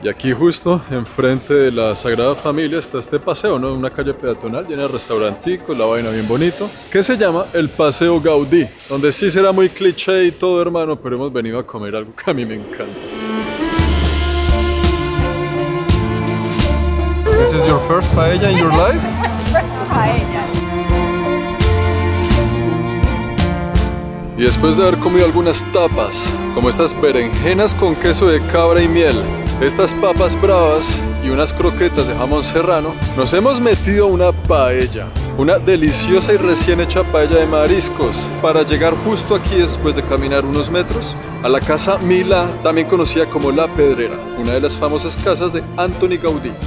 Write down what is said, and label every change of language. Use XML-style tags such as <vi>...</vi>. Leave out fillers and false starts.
<es>Y aquí justo enfrente de la Sagrada Familia está este paseo, ¿no? Una calle peatonal llena de restauranticos, la vaina bien bonito, que se llama el Paseo Gaudí, donde sí será muy cliché y todo, hermano, pero hemos venido a comer algo que a mí me encanta.</es> <en>This is your first paella in your life? First paella.</en> <es>Y después de haber comido algunas tapas, como estas berenjenas con queso de cabra y miel, estas papas bravas y unas croquetas de jamón serrano, nos hemos metido una paella, una deliciosa y recién hecha paella de mariscos, para llegar justo aquí después de caminar unos metros a la Casa Milá, también conocida como La Pedrera, una de las famosas casas de Antoni Gaudí.</es>